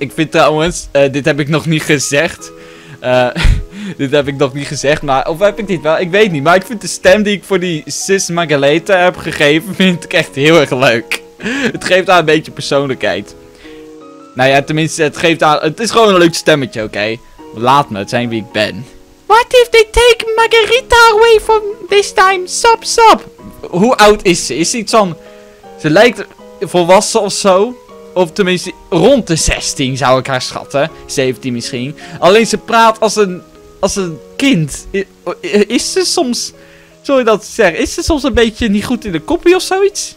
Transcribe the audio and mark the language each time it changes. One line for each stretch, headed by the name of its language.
Dutch: Ik vind trouwens, dit heb ik nog niet gezegd. dit heb ik nog niet gezegd, maar... Of heb ik dit wel? Ik weet niet. Maar ik vind de stem die ik voor die Sis Magaleta heb gegeven, vind ik echt heel erg leuk. Het geeft haar een beetje persoonlijkheid. Nou ja, tenminste, het geeft haar... Het is gewoon een leuk stemmetje, oké? Okay? Laat me, het zijn wie ik ben.
English: What if they take Margarita away from this time? Sop, sop.
Dutch: Hoe oud is ze? Is ze iets van... Ze lijkt volwassen of zo? Of tenminste, rond de 16 zou ik haar schatten. 17 misschien. Alleen ze praat als een... Als een kind. Is ze soms... Sorry dat ik zeg. Is ze soms een beetje niet goed in de koppie of zoiets?